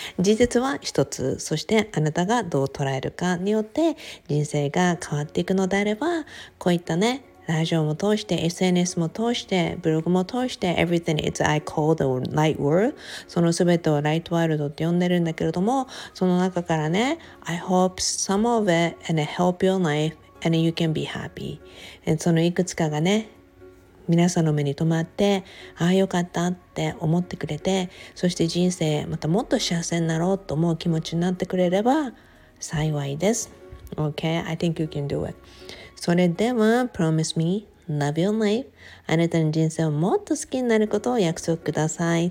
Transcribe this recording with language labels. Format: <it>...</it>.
<ja>事実は1つ、そしてあなたがどう捉えるかによって人生が変わっていくのであれば、こういったねラジオも通して SNS も通してブログも通して</ja> <en>Everything is I call the light world、</en> <ja>そのすべてをライトワールドって呼んでるんだけれども、その中からね</ja> <en>I hope some of it and it help your life and you can be happy、</en> <ja>そのいくつかがね皆さんの目に留まって、ああよかったって思ってくれて、そして人生またもっと幸せになろうと思う気持ちになってくれれば幸いです。</ja> <en>Okay, I think you can do it.</en> <ja>それでは、</ja> <en>Promise me, love your life.</en> <ja>あなたの人生をもっと好きになることを約束ください。</ja>